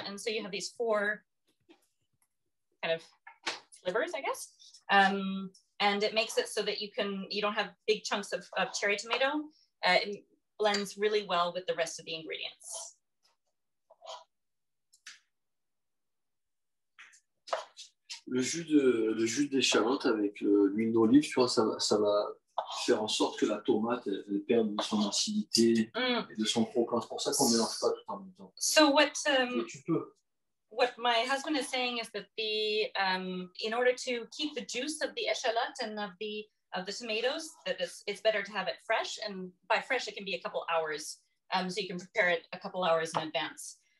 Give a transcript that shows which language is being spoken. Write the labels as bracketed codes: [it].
[en] And so you have these four kind of slivers, I guess. And it makes it so that you don't have big chunks of cherry tomato. It blends really well with the rest of the ingredients. [fr] Le jus d'échalote avec l'huile d'olive, tu vois, ça va faire en sorte que la tomate elle perde de son acidité et de son croquant. C'est pour ça qu'on ne mélange pas tout en même temps. [en] So what, what my husband is saying is that the in order to keep the juice of the échalote and of the tomatoes, that it's better to have it fresh. And by fresh, it can be a couple hours. So you can prepare it a couple hours in advance.